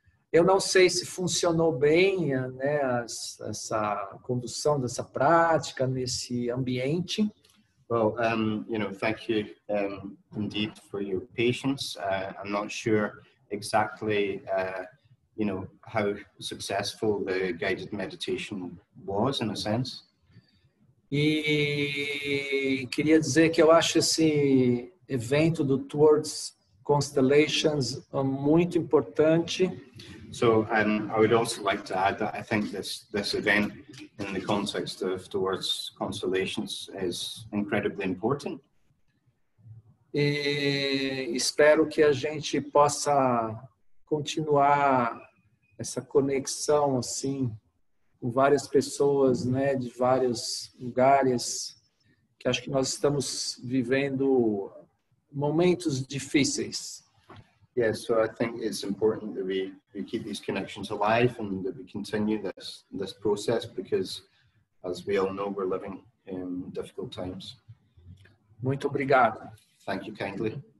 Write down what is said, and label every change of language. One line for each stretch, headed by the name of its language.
Portuguese: Eu não sei se funcionou bem, né, essa condução dessa prática nesse ambiente.
English: Well, you know, thank you indeed for your patience. I'm not sure exactly, you know, how successful the guided meditation was, in a sense.
Portuguese: E queria dizer que eu acho esse evento do Towards Constellations muito importante.
English: So I would also like to add that I think this event in the context of Towards Constellations is incredibly important.
Portuguese: E espero que a gente possa continuar essa conexão assim com várias pessoas, né, de vários lugares, que acho que nós estamos vivendo momentos difíceis.
English: Yeah, so I think it's important that we keep these connections alive and that we continue this process because, as we all know, we're living in difficult times.
Portuguese: Muito obrigado.
English: Thank you kindly.